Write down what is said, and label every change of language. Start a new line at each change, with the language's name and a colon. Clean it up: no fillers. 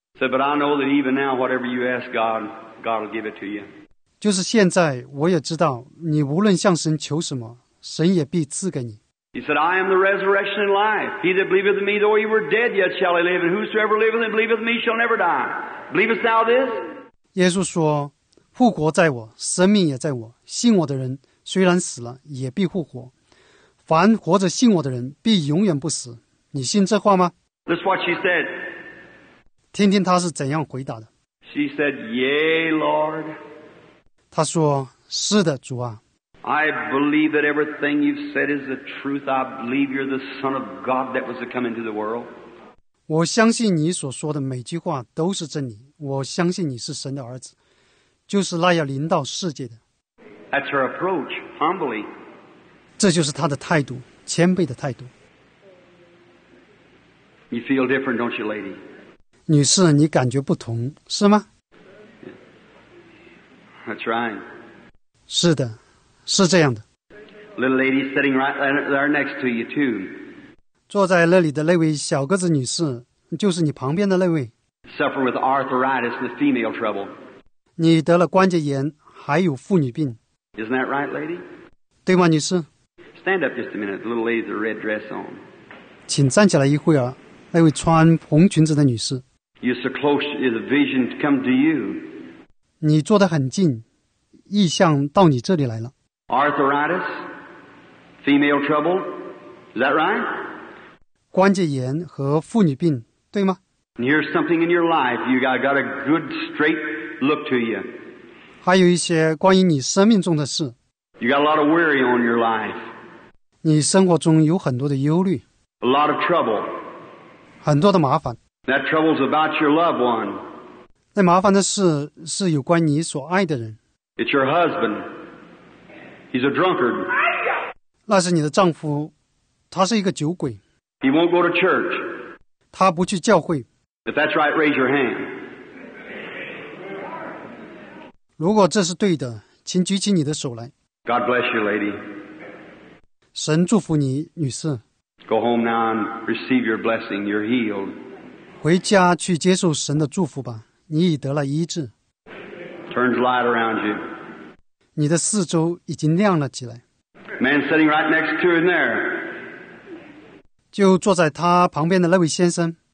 English: But I know that even now, whatever you ask God, God will give it to you.
Chinese: 就是现在，我也知道，你无论向神求什么，神也必赐给你。
English: He said, I am the resurrection and life. He that believeth in me, though he were dead, yet shall he live. And whosoever liveth and believeth in me shall never die. Believest thou this?
Chinese: 耶稣说，复活在我，生命也在我。信我的人，虽然死了，也必复活。凡活着信我的人，必永远不死。你信这话吗？
English: This is what she said.
Chinese: 听听他是怎样回答的。
English: She said, "Yea, Lord."
Chinese: 他说：“是的，主啊。”
English: I believe that everything you've said is the truth. I believe you're the Son of God that was to come into the world.
Chinese: 我相信你所说的每句话都是真理。我相信你是神的儿子，就是那要临到世界的。
English: That's her approach, humbly.
Chinese: 这就是他的态度，谦卑的态度。
English: You feel different, don't you, lady?
Chinese: 女士，你感觉不同，是吗？
English: That's right.
Chinese: 是的，是这样的。
English: Little lady sitting right there next to you too.
Chinese: 坐在那里的那位小个子女士，就是你旁边的那位。
English: Suffer with arthritis and female trouble.
Chinese: 你得了关节炎，还有妇女病。
English: Isn't that right, lady?
Chinese: 对吗，女士？
English: Stand up just a minute, little lady with the red dress on.
Chinese: 请站起来一会儿。那位穿红裙子的女士
English: You're so close, the vision come to you.
Chinese: 你坐得很近，异象到你这里来了。
English: Arthritis, female trouble, is that right?
Chinese: 关节炎和妇女病，对吗？
English: Here's something in your life, you got a good straight look to you.
Chinese: 还有一些关于你生命中的事。
English: You got a lot of worry on your life.
Chinese: 你生活中有很多的忧虑。
English: A lot of trouble.
Chinese: 很多的麻烦。
English: That trouble's about your loved one.
Chinese: 那麻烦的事是有关你所爱的人。
English: It's your husband. He's a drunkard.
Chinese: 那是你的丈夫，他是一个酒鬼。
English: He won't go to church.
Chinese: 他不去教会。
English: If that's right, raise your hand.
Chinese: 如果这是对的，请举起你的手来。
English: God bless you, lady.
Chinese: 神祝福你，女士。
English: Go home now and receive your blessing. You're healed.
Chinese: 回家去接受神的祝福吧，你已得了医治。
English: Turns light around you.
Chinese: 你的四周已经亮了起来。
English: Man sitting right next to him there.
Chinese: 就坐在他旁边的那位先生。